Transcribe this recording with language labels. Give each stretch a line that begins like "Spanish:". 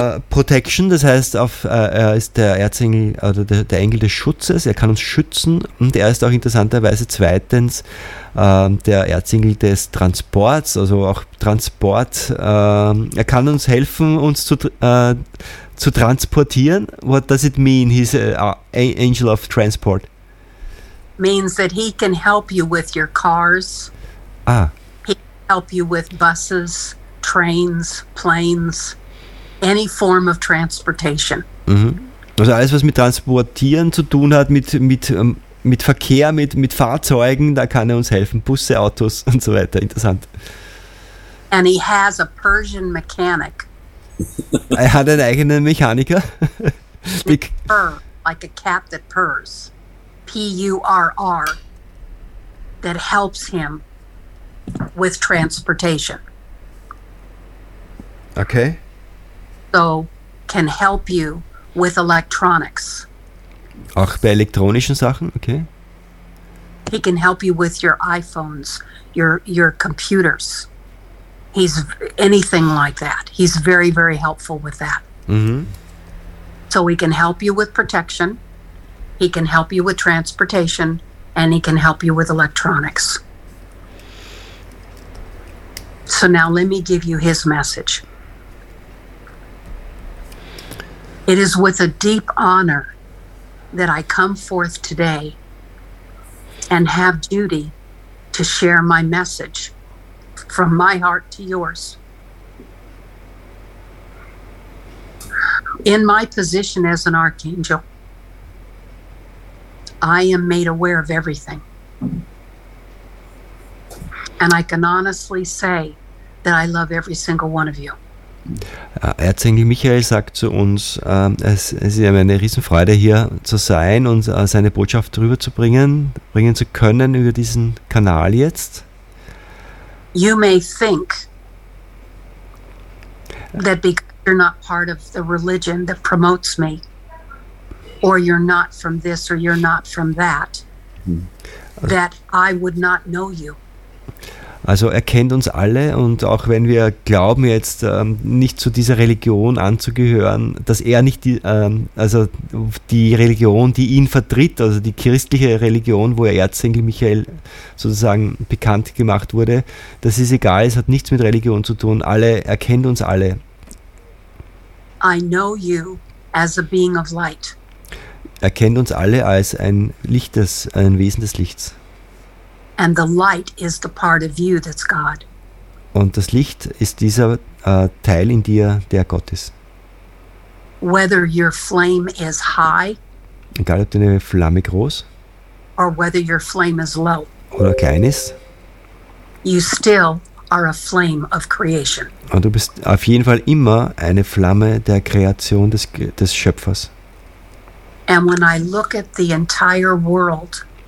German: Protection, das heißt, er ist der Erzengel oder der Engel des Schutzes, er kann uns schützen und er ist auch interessanterweise zweitens der Erzengel des Transports, also auch Transport. Er kann uns helfen, uns zu transportieren.
English: What does it mean, he's an angel of transport? Means that he can help you with your cars. Ah. He can help you with buses, trains, planes. Any form of transportation. Mhm.
German: Also alles, was mit Transportieren zu tun hat, mit Verkehr, mit Fahrzeugen, da kann er uns helfen. Busse, Autos und so weiter. Interessant.
English: And he has a Persian mechanic.
German: Er hat einen eigenen Mechaniker.
English: Purr, like a cat that purrs. P-U-R-R. That helps him with transportation. Okay. So can help you with electronics.
German: Auch bei elektronischen Sachen, okay.
English: He can help you with your iPhones, your computers. he's anything like that. He's very, very helpful with that. Mm-hmm. So he can help you with protection, he can help you with transportation, and he can help you with electronics. So now let me give you his message. It is with a deep honor that I come forth today and have duty to share my message from my heart to yours. In my position as an archangel, I am made aware of everything. And I can honestly say that I love every single one of you.
German: Erzengel Michael sagt zu uns, es ist eine Riesenfreude, hier zu sein und seine Botschaft rüberzubringen, bringen zu können über diesen Kanal jetzt.
English: You may think that because you're not part of the religion that promotes me, or you're not from this or you're not from that, that I would not know you.
German: Also er kennt uns alle, und auch wenn wir glauben, jetzt nicht zu dieser Religion anzugehören, dass er nicht die Religion, die ihn vertritt, also die christliche Religion, wo er Erzengel Michael sozusagen bekannt gemacht wurde, das ist egal, es hat nichts mit Religion zu tun, er kennt uns alle.
English: I know you as a being of light.
German: Er kennt uns alle als ein Wesen des Lichts.
English: And the light is the part of you that's God.
German: Und das Licht ist dieser Teil in dir, der Gott ist.
English: Whether your flame is high,
German: egal ob deine Flamme groß,
English: or whether your flame is low,
German: oder klein ist,
English: you still are a flame of creation.
German: Und du bist auf jeden Fall immer eine Flamme der Kreation des Schöpfers.
English: And when I look at the entire world,